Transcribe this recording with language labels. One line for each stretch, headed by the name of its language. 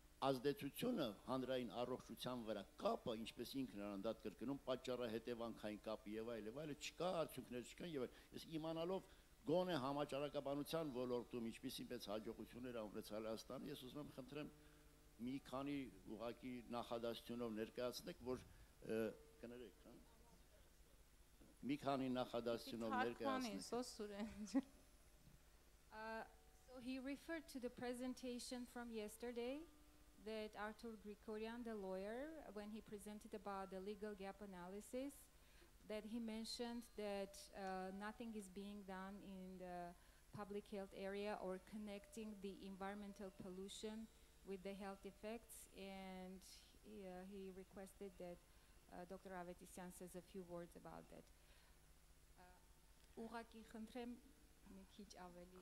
Armenian: ազդեցությունը հանրային առողջության վրա կապը, ինչպես ինքն իրան դատ կրկնում, պատճառահետևանքային կապ եւ այլը չկա, արդյունքներ չկան եւ ես իմանալով գոնե համաճարակաբանության ոլորտում ինչպիսի մեծ հաջողություններ ունեցել Հայաստանը, ես ուզում եմ խնդրեմ մի քանի ուղղակի նախադասությունով ներկայացնեք, որ կներեք մի քանի նախադասությունով ներկայացնեք։
English: So he referred to the presentation from yesterday that Artur Grigorian, the lawyer, when he presented about the legal gap analysis, that he mentioned that nothing is being done in the public health area or connecting the environmental pollution with the health effects, and he requested that Dr. Avetisyan says a few words about that.
Armenian: Ուղակի խնդրեմ մի քիչ ավելի